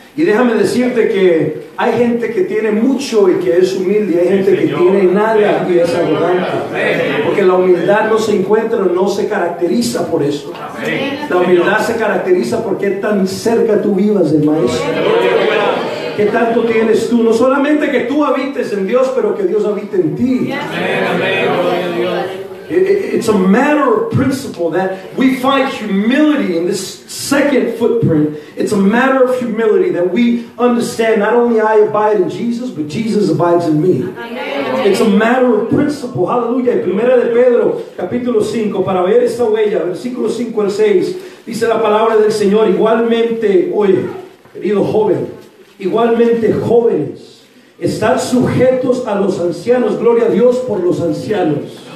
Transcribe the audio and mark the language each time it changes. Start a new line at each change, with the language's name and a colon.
Spanish: Y déjame decirte que hay gente que tiene mucho y que es humilde, y hay gente que tiene nada y es arrogante. Porque la humildad no se encuentra, no se caracteriza por eso. La humildad se caracteriza porque tan cerca tú vivas del Maestro. ¿Qué tanto tienes tú? No solamente que tú habites en Dios, pero que Dios habite en ti. Amén, amén.
English: It's a matter of principle that we find humility in this second footprint. It's a matter of humility that we understand not only I abide in Jesus, but Jesus abides in me. Amen. It's a matter of principle. Hallelujah.
Spanish: Primera de Pedro, capítulo 5, para ver esta huella, versículo 5 al 6, dice la palabra del Señor, igualmente, oye, querido joven, igualmente jóvenes, estar sujetos a los ancianos. Gloria a Dios por los ancianos.